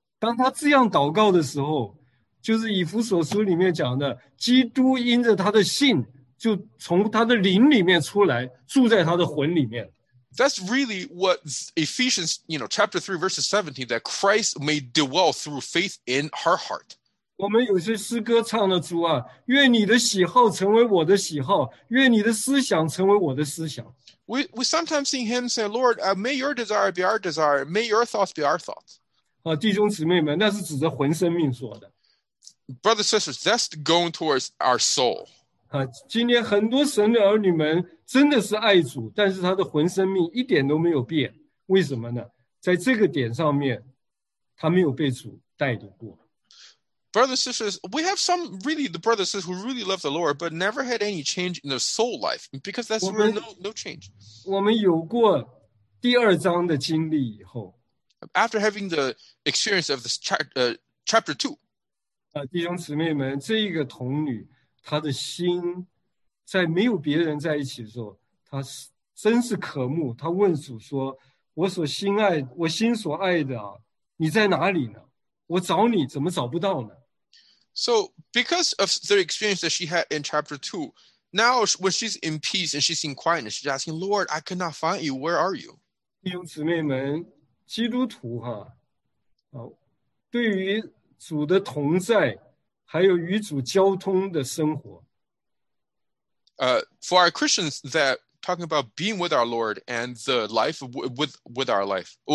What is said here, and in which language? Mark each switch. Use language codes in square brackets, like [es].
[zh] 当她这样祷告的时候, 就是以弗所书里面讲的, 基督因着她的信就从她的灵里面出来, 住在她的魂里面。 [en] That's really what Ephesians, you know, chapter 3, verse 17, that Christ may dwell through faith in her heart. [zh] 我们有些诗歌唱的主啊, 愿你的喜好成为我的喜好, 愿你的思想成为我的思想。 [en] We sometimes sing hymns saying, Lord, may your desire be our desire, may your thoughts be our thoughts. [zh] 弟兄姊妹们, 那是指着魂生命说的。 [en] Brothers and sisters, that's going towards our soul. [zh] 今天很多神的儿女们真的是爱主, 但是他的魂生命一点都没有变, 为什么呢? 在这个点上面, 他没有被主带领过。 [en] Brothers and sisters, we have some really the brothers and sisters who really love the Lord, but never had any change in their soul life, because that's really no change. [zh] 我们有过第二章的经历以后, [en] after having the experience of this chapter 2, [zh] 弟兄姊妹们, 这一个童女, 他的心在没有别人在一起的时候，他真是渴慕。他问主说：“我所心爱的，你在哪里呢？我找你怎么找不到呢？” [en] So because of the experience that she had in chapter 2, now when she's in peace and she's in quietness, she's asking, Lord, I could not find you. Where are you? [zh] 弟兄姊妹们，基督徒哈，对于主的同在，还有与主交通的生活。 [en] For our Christians, that talking about being with our Lord and the life with our Lord,